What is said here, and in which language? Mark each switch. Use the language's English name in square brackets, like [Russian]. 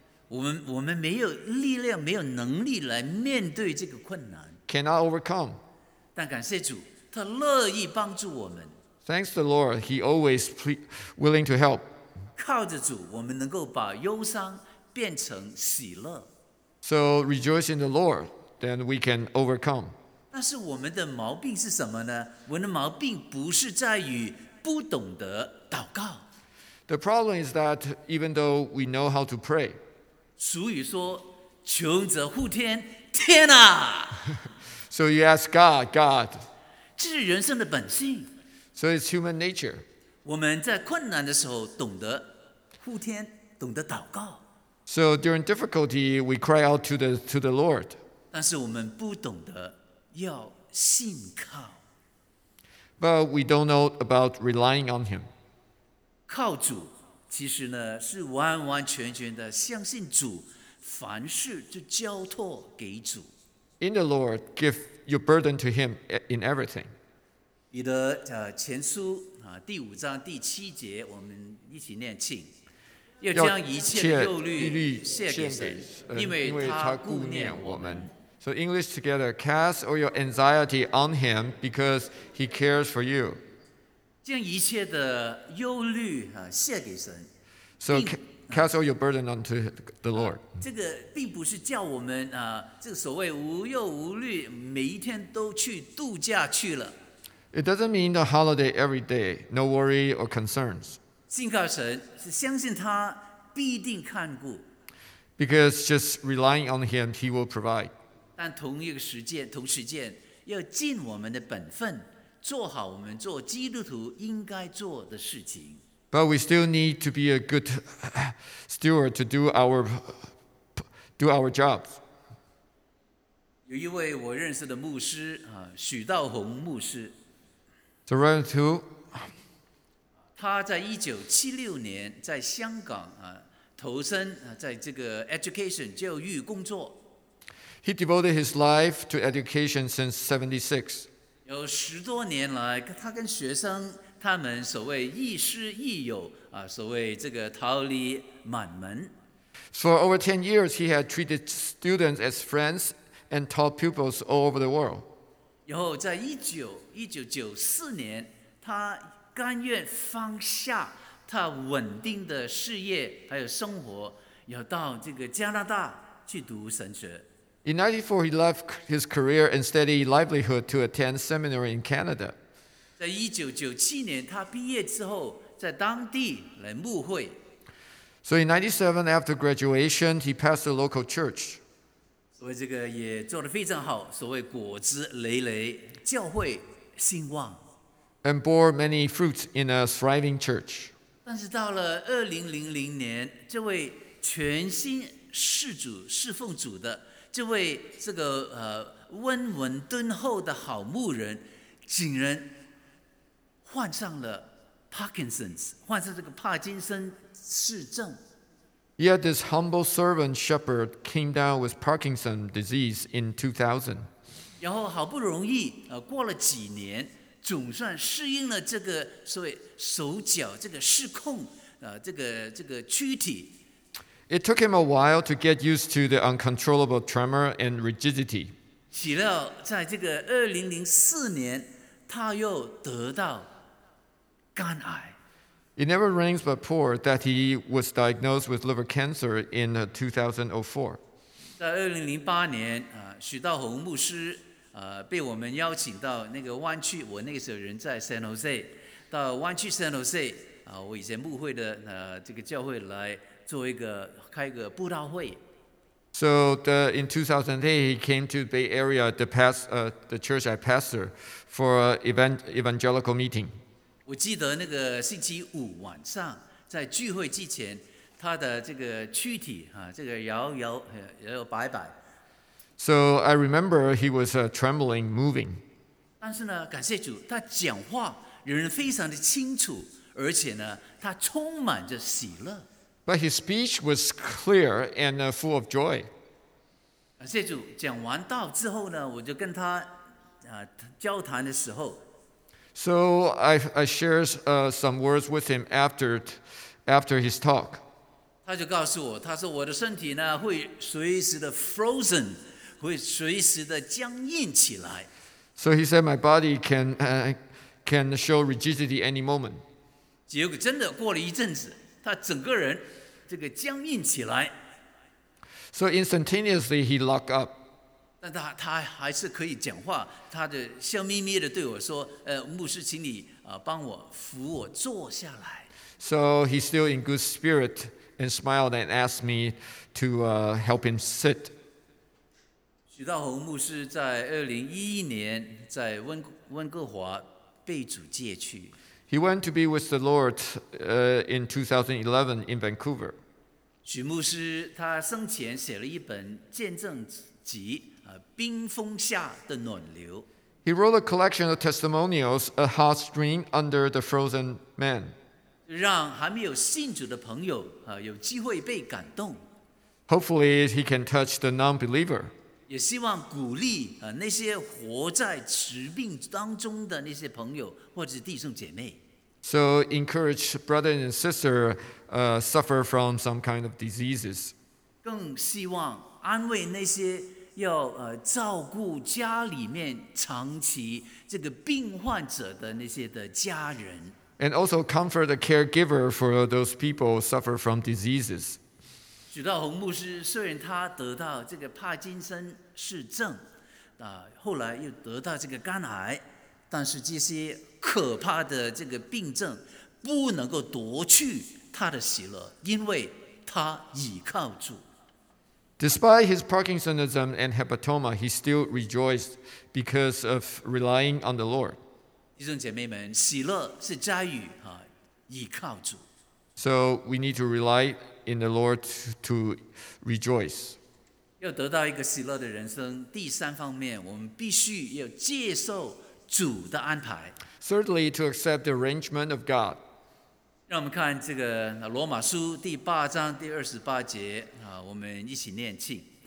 [Chinese] 我们没有力量，没有能力来面对这个困难 [English] cannot overcome. [Chinese] 但感谢主，他乐意帮助我们 [English] Thanks the Lord, He always willing to help. [Chinese] 靠着主，我们能够把忧伤变成喜乐 [English] So rejoice in the Lord, then we can overcome. [Chinese] 但是我们的毛病是什么呢？我们的毛病不是在于不懂得祷告。 [English] The problem is that even though we know how to pray, [Chinese] 俗语说穷则乎天，天啊！ [English] So you ask God, God. [Chinese] 这是人生的本性。 [English] So it's human nature. [Chinese] 我们在困难的时候懂得乎天，懂得祷告。 [English] So during difficulty, we cry out to the Lord. [Chinese] 但是我们不懂得要信靠。 [English] But we don't know about relying on Him. [Chinese] 靠主，其实呢是完完全全的相信主，凡事就交托给主。 [English] In the Lord, give your burden to Him in everything. [Chinese] 彼得前书第五章第七节，我们一起念，请。要将一切忧虑献给神，因为他顾念我们。 [English] So English together, cast all your anxiety on Him because He cares for you. [Chinese] 将一切的忧虑卸给神。 [English] So cast all your burden onto the Lord. [Chinese] 这个并不是叫我们这个所谓无忧无虑，每一天都去度假去了。 [English] It doesn't mean a holiday every day, no worry or concerns. [Chinese] 信靠神是相信他必定看顾。 [English] Because just relying on Him, He will provide. [Chinese] 但同时间要尽我们的本分。做好我们做基督徒应该做的事情。 [English] But we still need to be a good steward to do our jobs. [Chinese] 有一位我认识的牧师许道宏牧师。 [English] The Reverend Who? [Chinese] 他在1976年在香港投身在这个 education 教育工作。 [English] He devoted his life to education since 76. [Chinese] 有十多年来，他跟学生他们所谓亦师亦友啊，所谓这个桃李满门。 [English] For over 10 years, he had treated students as friends and taught pupils all over the world. [Chinese] 然后在1994年，他甘愿放下他稳定的事业还有生活，要到这个加拿大去读神学。 [English] In 1994, he left his career and steady livelihood to attend seminary in Canada. [Chinese] 在1997年，他毕业之后在当地来牧会。 [English] So in 1997, after graduation, he pastored a local church. [Chinese] 所以这个也做得非常好，所谓果子累累，教会兴旺。 [English] And bore many fruits in a thriving church. [Chinese] 但是到了2000年，这位全心侍主、侍奉主的这位这个温文敦厚的好牧人，竟然患上了 Parkinson's， 患上这个帕金森氏症。 [English] Yet this humble servant shepherd came down with Parkinson's disease in 2000. [Chinese] 然后好不容易过了几年，总算适应了这个所谓手脚这个失控这个躯体。 [English] It took him a while to get used to the uncontrollable tremor and rigidity. [Chinese] 岂料在这个2004年，他又得到肝癌。 [English] It never rings but poor that he was diagnosed with liver cancer in 2004. [Chinese] 在2008年，许道宏牧师被我们邀请到那个湾区，我那个时候人在 San Jose， 到湾区 San Jose， 我以前牧会的这个教会来。开一个布道会。 [English] So in 2008, he came to Bay Area, the church I pastor, for an evangelical meeting. [Chinese] 我记得那个星期五晚上，在聚会之前，他的这个躯体这个摇摇摆摆。 [English] So I remember he was trembling, moving. [Chinese] 但是呢，感谢主，他讲话仍然非常的清楚，而且呢，他充满着喜乐。 [English] But his speech was clear and full of joy. [Chinese] 感谢主，讲完道之后呢，我就跟他交谈的时候。 [English] So I shared some words with him after his talk. [Chinese] 他就告诉我，他说我的身体呢会随时的 frozen， 会随时的僵硬起来。 [English] So he said my body can show rigidity any moment. [Chinese] 结果真的过了一阵子。他整个人这个僵硬起来。 [English] So instantaneously he locked up. [Chinese] 但他还是可以讲话，他的笑眯眯的对我说：“牧师，请你帮我扶我坐下来。” [English] So he's still in good spirit and smiled and asked me to help him sit. [Chinese] 许道宏牧师在2011年在温哥华被主接去。 [English] He went to be with the Lord in 2011 in Vancouver. [Chinese] 许牧师他生前写了一本见证集，冰封下的暖流。 [English] He wrote a collection of testimonials, A Hot Stream Under the Frozen Man. [Chinese] 让还没有信主的朋友有机会被感动。 [English] Hopefully he can touch the non-believer. [Chinese] 也希望鼓励那些活在疾病当中的那些朋友或者弟兄姐妹。 [English] So encourage brother and sister suffer from some kind of diseases. [Chinese] 更希望安慰那些要照顾家里面长期这个病患者的那些的家人。 [English] And also comfort the caregiver for those people suffer from diseases. [Chinese] 许道宏牧师虽然他得到这个帕金森氏症，后来又得到这个肝癌，但是这些可怕的这个病症不能够夺去他的喜乐，因为他倚靠主。 [English] Despite his Parkinsonism and hepatoma, he still rejoiced because of relying on the Lord. [Chinese] 弟兄姐妹们，喜乐是在于倚靠主。 [English] So we need to rely in the Lord to rejoice. [Chinese] 要得到一个喜乐的人生，第三方面，我们必须要接受主的安排。 [English] Certainly, to accept the arrangement of God. [Chinese] 让我们看这个罗马书第八章第28节，我们一起念起。